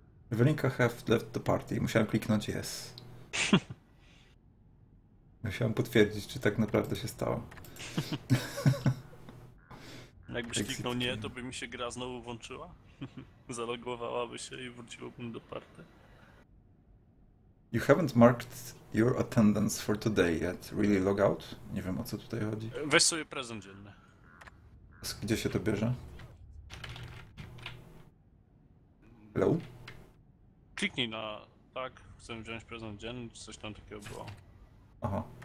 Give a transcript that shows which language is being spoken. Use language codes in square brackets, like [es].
[pl] W linkach [en] have left the party. [pl] Musiałem kliknąć [en] yes. [pl] Musiałem potwierdzić, czy tak naprawdę się stało. Jakbyś exit kliknął nie, to by mi się gra znowu włączyła. Zalogowałaby się i wróciłbym do party. [en] You haven't marked your attendance for today yet. Really log out? [pl] Nie wiem, o co tutaj chodzi. Weź sobie prezent dzienny. Gdzie się to bierze? [en] Hello? [pl] Kliknij na tak, chcę wziąć prezent dzienny, czy coś tam takiego było. Aha.